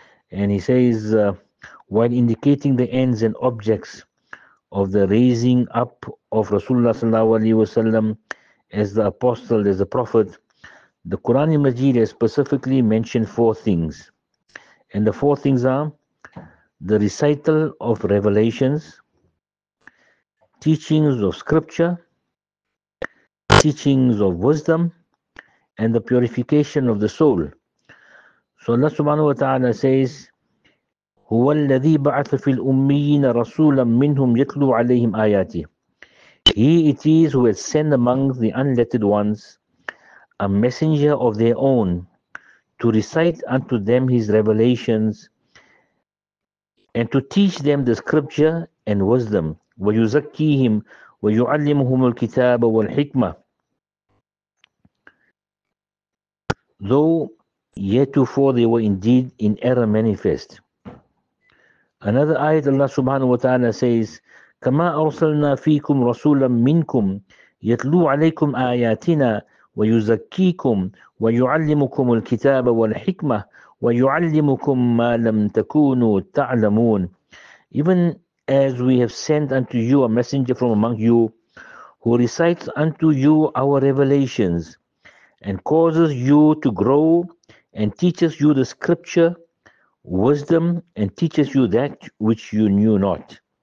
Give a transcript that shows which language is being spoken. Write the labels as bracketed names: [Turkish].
[English] And he says, while indicating the ends and objects of the raising up of Rasulullah sallallahu alayhi wa sallam as the apostle, as the prophet, the Quran Majeed has specifically mentioned four things. And the four things are the recital of revelations, teachings of scripture, teachings of wisdom, and the purification of the soul. So Allah subhanahu wa ta'ala says, [Arabic] هُوَ الَّذِي بَعَثَ فِي الْأُمِّيِّينَ رَسُولًا مِّنْهُمْ يَتْلُوا عَلَيْهِمْ آيَاتِهِ. [English] He it is who has sent among the unlettered ones a messenger of their own to recite unto them his revelations and to teach them the scripture and wisdom. [Arabic] وَيُزَكِّيهِمْ وَيُعَلِّمُهُمُ الْكِتَابَ وَالْحِكْمَةِ. [English] Though heretofore they were indeed in error manifest. Another ayat Allah subhanahu wa ta'ala says, [Arabic] كَمَا أَرْسَلْنَا فِيكُمْ رَسُولًا مِّنْكُمْ يَتْلُو عَلَيْكُمْ آيَاتِنَا وَيُزَكِّيكُمْ وَيُعَلِّمُكُمُ الْكِتَابَ وَالْحِكْمَةَ وَيُعَلِّمُكُمْ مَا لَمْ تَكُونُوا تَعْلَمُونَ. [English] Even as we have sent unto you a messenger from among you who recites unto you our revelations and causes you to grow and teaches you the scripture, wisdom, and teaches you that which you knew not.